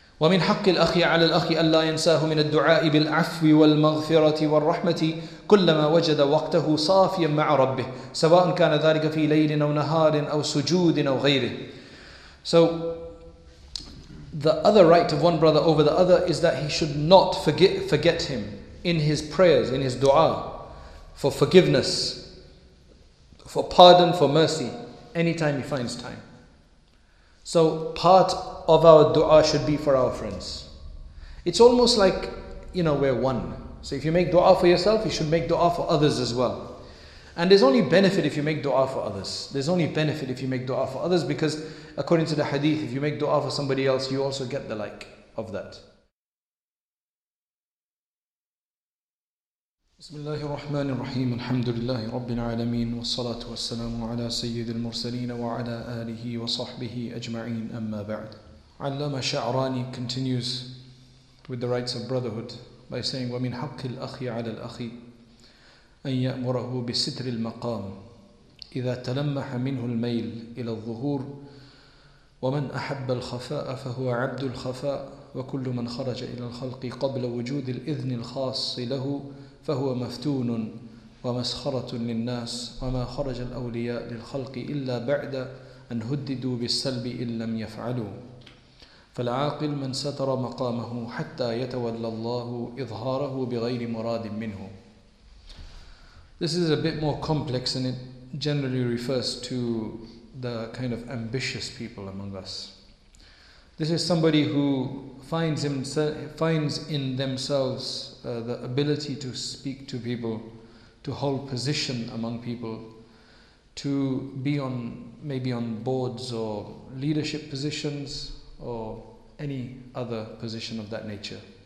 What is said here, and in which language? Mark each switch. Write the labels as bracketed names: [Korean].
[Arabic] ومن حق الأخ على الأخ أن لا ينساه من الدعاء بالعفو والمغفرة والرحمة كلما وجد وقته صافيا مع ربه, سواء كان ذلك في ليل أو نهار أو سجود أو غيره. [English] So the other right of one brother over the other is that he should not forget him in his prayers, in his dua, for forgiveness, for pardon, for mercy, anytime he finds time. So part of our dua should be for our friends. It's almost like, you know, we're one. So if you make dua for yourself, you should make dua for others as well. And there's only benefit if you make dua for others. There's only benefit if you make dua for others, because according to the hadith, if you make dua for somebody else, you also get the like of that. [Arabic] بسم الله الرحمن الرحيم الحمد لله رب العالمين والصلاة والسلام على سيد المرسلين وعلى آله وصحبه أجمعين أما بعد. علامة شعراني [English] continues with the rights of brotherhood by saying, [Arabic] ومن حق الأخ على الأخ أن يأمره بستر المقام إذا تلمح منه الميل إلى الظهور ومن أحب الخفاء فهو عبد الخفاء وكل من خرج إلى الخلق قبل وجود الإذن الخاص له فهو مفتون ومسخرة للناس وما خرج الأولياء للخلق إلا بعد أن هددوا بالسلب إن لم يفعلوا فالعاقل من ستر مقامه حتى يتولى الله إظهاره بغير مراد منه. [English] This is a bit more complex, and it generally refers to the kind of ambitious people among us. This is somebody who finds in themselves the ability to speak to people, to hold position among people, to be on maybe on boards or leadership positions or any other position of that nature.